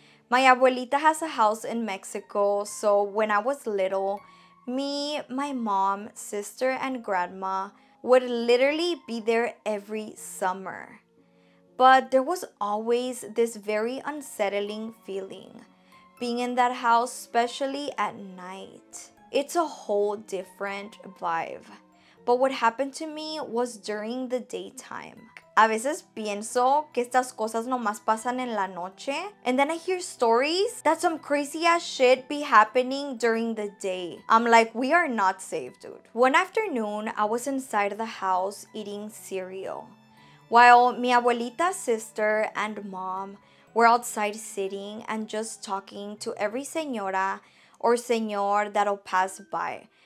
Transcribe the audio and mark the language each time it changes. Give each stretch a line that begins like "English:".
English: My abuelita has a house in Mexico, so when I was little, me, my mom, sister, and grandma would literally be there every summer. But there was always this very unsettling feeling being in that house, especially at night. It's a whole different vibe. But what happened to me was during the daytime.
Spanish: A veces pienso que estas cosas nomás pasan en la noche.
English: And then I hear stories that some crazy ass shit be happening during the day. I'm like, we are not safe, dude. One afternoon, I was inside the house eating cereal, while mi abuelita, sister, and mom were outside sitting and just talking to every señora or señor that'll pass by.